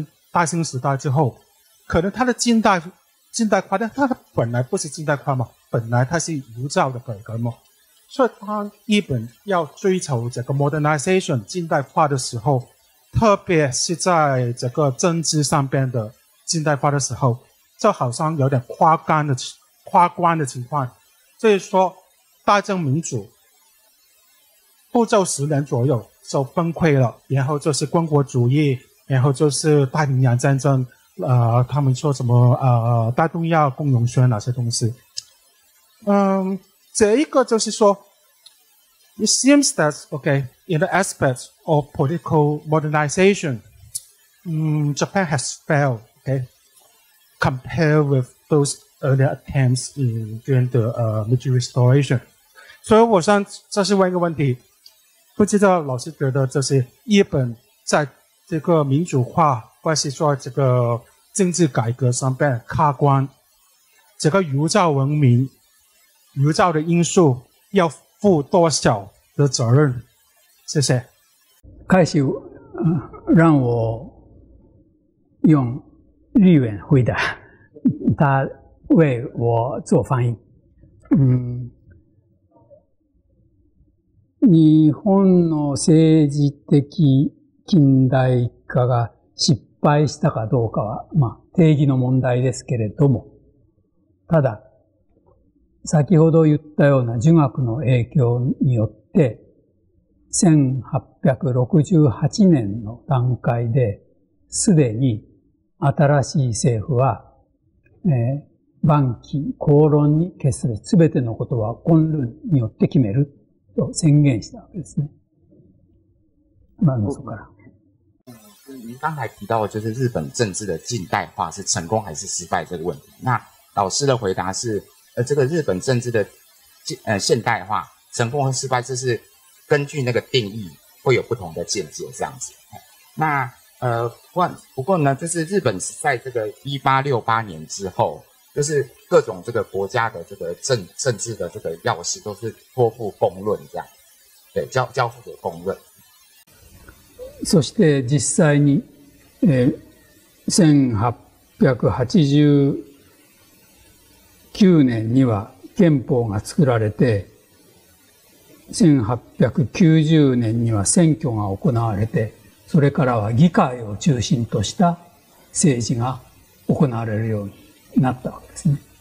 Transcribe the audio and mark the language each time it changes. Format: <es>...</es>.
<zh>大兴时代之后，可能它的近代化，但它本来不是近代化嘛，本来它是儒教的改革嘛，所以它日本要追求这个 modernization 近代化的时候，特别是在这个政治上边的近代化的时候，就好像有点夸关的情况，所以说大正民主。不就十年左右就崩溃了，然后就是军国主义，然后就是太平洋战争，他们说什么大东亚共荣圈那些东西。这一个就是说</zh> <en>,it seems that, okay, in the aspect of political modernization, Japan has failed, okay, compared with those earlier attempts during the Meiji Restoration.</en> <zh>所以我想这是问一个问题，不知道老师觉得这是日本在这个民主化关系说这个政治改革上面卡关，这个儒教文明儒教的因素要负多少的责任？谢谢。开始让我用日文回答，他为我做翻译。</zh> <ja>日本の政治的近代化が失敗したかどうかは、まあ、定義の問題ですけれども、ただ、先ほど言ったような儒学の影響によって、1868年の段階で、すでに新しい政府は、晩期、公論に決する、すべてのことは根論によって決める。と宣言したわけですね。まあ、そこから。</ja> <zh>您刚才提到的就是日本政治的近代化是成功还是失败这个问题。那老师的回答是，这个日本政治的现代化成功和失败，这是根据那个定义会有不同的见解这样子。那不过呢，就是日本在这个1868年之后，就是各种这个国家的这个政治的这个要事都是托付公论这样，对，交付给公论。</zh> <ja>そして実際に、1889年には憲法が作られて、1890年には選挙が行われて、それからは議会を中心とした政治が行われるようになったわけですね。</ja>